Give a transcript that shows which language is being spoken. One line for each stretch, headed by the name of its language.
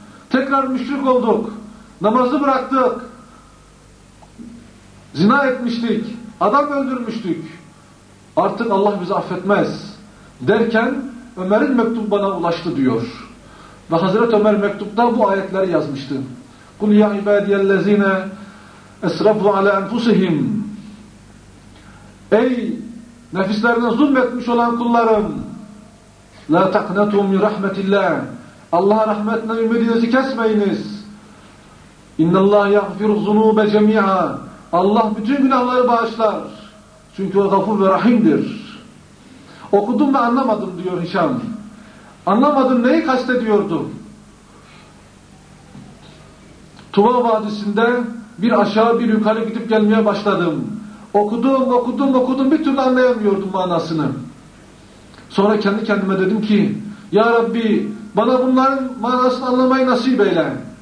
Turkish: Tekrar müşrik olduk, namazı bıraktık, zina etmiştik, adam öldürmüştük. Artık Allah bizi affetmez derken Ömer'in mektubu bana ulaştı diyor. Ve Hazreti Ömer mektupta bu ayetleri yazmıştı.
Arabic: قُلْ يَا عِبَادِيَ الَّذ۪ينَ اَسْرَفُوا عَلَى اَنْفُسِهِمْ
Turkish: Ey nefislerine zulmetmiş olan kullarım,
Arabic: لَا تَقْنَتُوا مِنْ رَحْمَةِ اللّٰهِ
Turkish: Allah'a rahmetine ümidinizi kesmeyiniz.
Arabic: اِنَّ اللّٰهِ يَغْفِرُ الظُّنُوبَ جَمِيعًا
Turkish: Allah bütün günahları bağışlar. Çünkü o gafur ve rahimdir. Okudum ve anlamadım diyor Hişam. Anlamadım neyi kastediyordu. Tuva Vadisi'nde bir aşağı bir yukarı gidip gelmeye başladım. Okudum, okudum, okudum, bir türlü anlayamıyordum manasını. Sonra kendi kendime dedim ki, Ya Rabbi, bana bunların manasını anlamayı nasip eyle.